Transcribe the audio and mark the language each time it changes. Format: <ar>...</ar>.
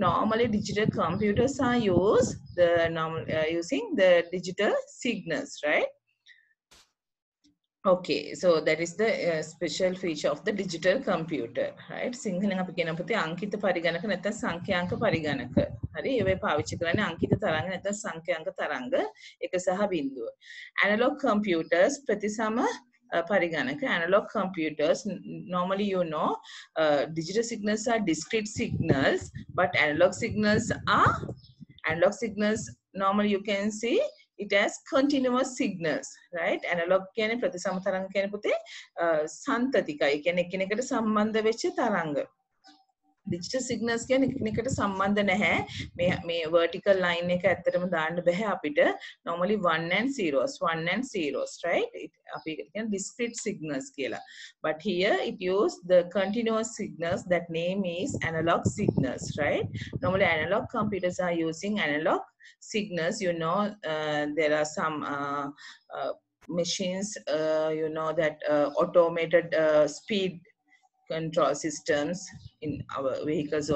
<en>Normally digital computers are used using the digital signals, right? Okay, so that is the special feature of the digital computer, right?</en> <si>සිංහලෙන් අපි කියන පොතේ අංකිත පරිගණක නැත්නම් සංඛ්‍යාංක පරිගණක. හරි, ඒවේ පාවිච්චි කරන්නේ අංකිත තරංග නැත්නම් සංඛ්‍යාංක තරංග එක සහ බිඳුව. Analog computers ප්‍රතිසම පරිගණක.</si> <en>Analog computers, normally you know, digital signals are discrete signals, but analog signals normally you can see it has continuous signals, right?</en> <si>Analog කියන්නේ ප්‍රතිසම තරංග කියන පුතේ සන්තතිකයි. කියන්නේ එකිනෙකට සම්බන්ධ වෙච්ච තරංග. Digital signals කියන්නේ එකිනෙකට සම්බන්ධ නැහැ. මේ vertical line එක ඇත්තටම දාන්න බෑ අපිට.</si> <en>Normally 1 and 0s, right?</en> <si>අපි කියන්නේ discrete signals කියලා.</si> <en>But here it use the continuous signals, that name is analog signals, right? Normally analog computers are using analog signals. You know, there are some machines, you know, that automated speed control systems in our vehicles.</en>